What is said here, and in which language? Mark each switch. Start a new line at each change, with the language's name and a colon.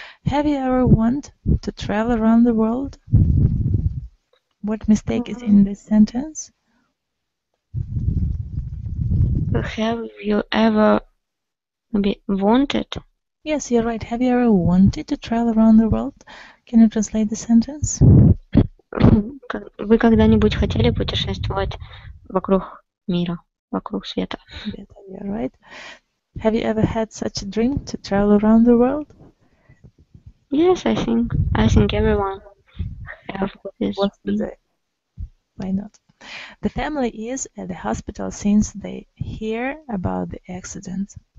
English: Have you ever wanted to travel around the world? What mistake is in this sentence? Have you ever maybe wanted? Yes, you're right. Have you ever wanted to travel around the world? Can you translate the sentence?
Russian: Вы когда-нибудь хотели путешествовать вокруг мира, вокруг света?
English: You're right. Have you ever had such a dream to travel around the world? Yes, I think everyone has this. What's the day? Why not? The family is at the hospital since they hear about the accident.